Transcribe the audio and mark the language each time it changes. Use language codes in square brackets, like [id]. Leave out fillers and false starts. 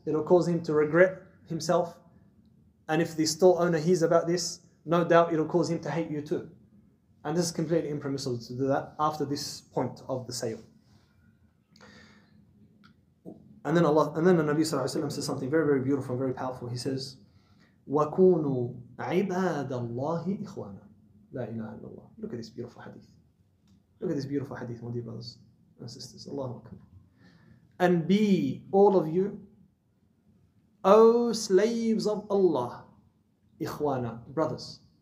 [en] It'll cause him to regret himself. And if the store owner hears about this, no doubt it'll cause him to hate you too. And this is completely impermissible to do that after this point of the sale. And then Allah, and then the Nabi Sallallahu Alaihi Wasallam says something very, very beautiful and very powerful. He says, [ar] وَكُونُوا عِبَادَ اللَّهِ إِخْوَانًا. La ilaha illallah. [en] Look at this beautiful hadith. Look at this beautiful hadith, my dear brothers and sisters. Allahu Akbar. And be all of you, O slaves of Allah, ikhwana, brothers.